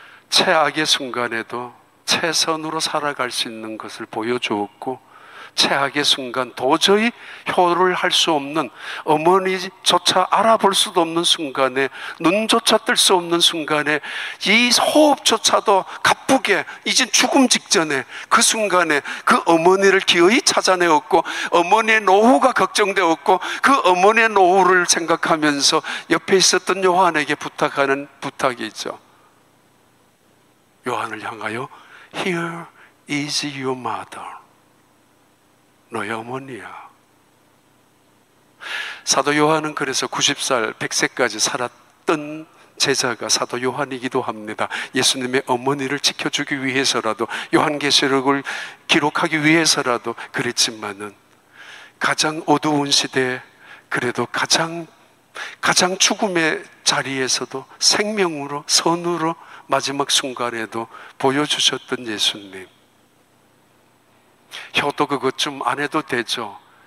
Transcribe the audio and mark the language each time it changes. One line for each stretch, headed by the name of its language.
Korean: 최악의 순간에도 최선으로 살아갈 수 있는 것을 보여주었고 최악의 순간 도저히 효를 할 수 없는 어머니조차 알아볼 수도 없는 순간에 눈조차 뜰 수 없는 순간에 이 호흡조차도 가쁘게 이제 죽음 직전에 그 순간에 그 어머니를 기어이 찾아내었고 어머니의 노후가 걱정되었고 그 어머니의 노후를 생각하면서 옆에 있었던 요한에게 부탁하는 부탁이죠. 요한을 향하여
English: Here is your mother.
Korean: 너의 어머니야. 사도 요한은 그래서 90살, 100세까지 살았던 제자가 사도 요한이기도 합니다. 예수님의 어머니를 지켜주기 위해서라도 요한계시록을 기록하기 위해서라도 그랬지만은 가장 어두운 시대에 그래도 가장 죽음의 자리에서도 생명으로 선으로 마지막 순간에도 보여주셨던 예수님. 혀도 그것 좀 안 해도 되죠.